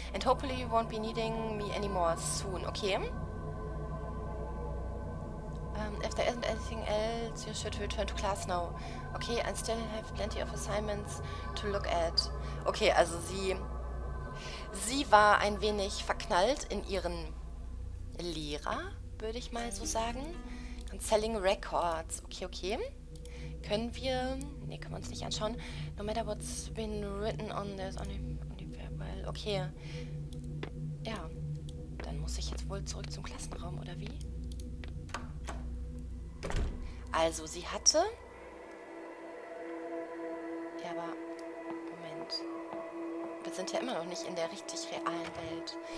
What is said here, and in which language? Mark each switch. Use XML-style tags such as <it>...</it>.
<en>And hopefully you won't be needing me anymore soon. Okay. If there isn't anything else, you should return to class now. Okay, I still have plenty of assignments to look at.</en> <de>Okay, also sie war ein wenig verknallt in ihren Lehrer, würde ich mal so sagen. Selling Records. Okay, okay. Können wir... Ne, können wir uns nicht anschauen.</de> <en>No matter what's been written on, there's only farewell. Okay. Ja.</en> <de>Dann muss ich jetzt wohl zurück zum Klassenraum, oder wie? Also, sie hatte... Ja, aber... Moment. Wir sind ja immer noch nicht in der richtig realen Welt.</de>